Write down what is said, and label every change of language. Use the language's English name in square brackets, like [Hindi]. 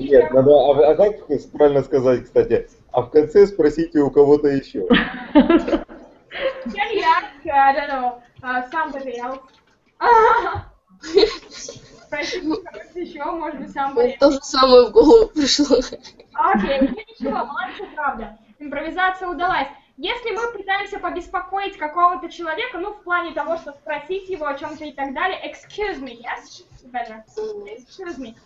[Russian] Нет, надо, как правильно сказать, кстати, а в конце спросите у кого-то еще. [English] Can you ask, I don't know, somebody else? [Russian] Спросите еще, может быть, [English] somebody else. [Russian] То же самое в голову пришло. Окей, ничего, молодцы, правда. Импровизация удалась. Если мы пытаемся побеспокоить какого-то человека, ну, в плане того, что спросить его о чем-то и так далее, [English] excuse me, yes? Excuse me.